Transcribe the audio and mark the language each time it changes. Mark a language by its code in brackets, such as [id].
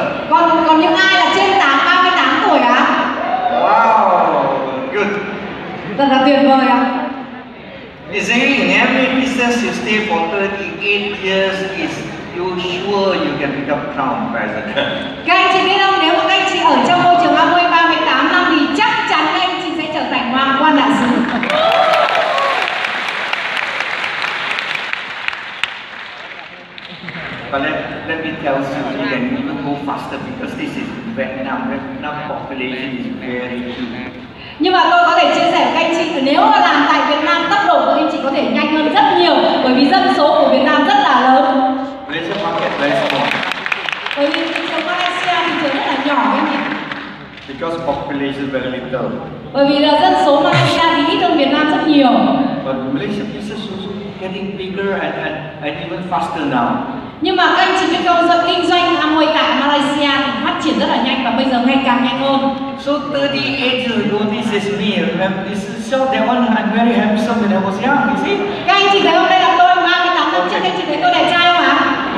[vi] Còn những ai là trên 38 tuổi ạ? [en] Wow, good. [vi] Thật là tuyệt vời ạ. [en] You see, in every business you stay for 38 years, is you sure you can become crown president? [vi] Các anh chị biết không, nếu mà các anh chị ở trong môi trường Amway 38 năm thì chắc chắn các anh chị sẽ trở thành hoàng quan đại sứ. [en] But let me tell you, you can even go faster because this is Vietnam. Vietnam population is very huge. [vi] Nhưng mà tôi có thể chia sẻ với anh chị, nếu mà làm tại Việt Nam, tốc độ của anh chị có thể nhanh hơn rất nhiều bởi vì dân số của Việt Nam rất là lớn. [en] Malaysia market very small. [vi] Bởi vì thị trường Malaysia thì trường rất là nhỏ anh nhỉ? [en] Because population very little. [vi] Bởi vì là dân số Malaysia thì ít hơn Việt Nam rất nhiều. [en] But Malaysia business is getting bigger and even faster now. [vi] Nhưng mà các anh chị biết không, do kinh doanh Amway tại Malaysia phát triển rất là nhanh và bây giờ ngày càng nhanh hơn. [en] So 38 years ago, this is me. This is so the one I'm very handsome when I was young, you see? [vi] Các anh chị thấy hôm nay là tôi 38 năm trước, các anh chị thấy tôi đẹp trai không ạ?